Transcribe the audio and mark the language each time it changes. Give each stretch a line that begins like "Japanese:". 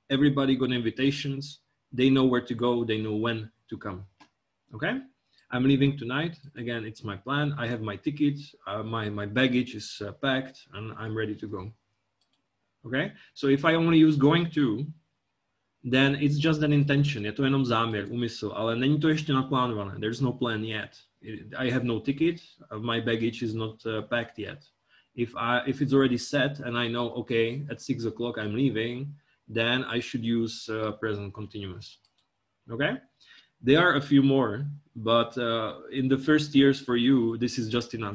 English: Everybody got invitations. They know where to go. They know when to come. Okay? I'm leaving tonight. Again, it's my plan. I have my ticket. My baggage is packed and I'm ready to go. Okay? So if I only use going to, then it's just an intention.
Czech: Je to jenom záměr, úmysl, ale není to ještě naplánované.
English: There's no plan yet. I have no ticket. My baggage is not packed yet. If it's already set and I know, okay, at 6 o'clock I'm leaving, then I should use present continuous. Okay? There are a few more, but in the first years for you, this is just enough.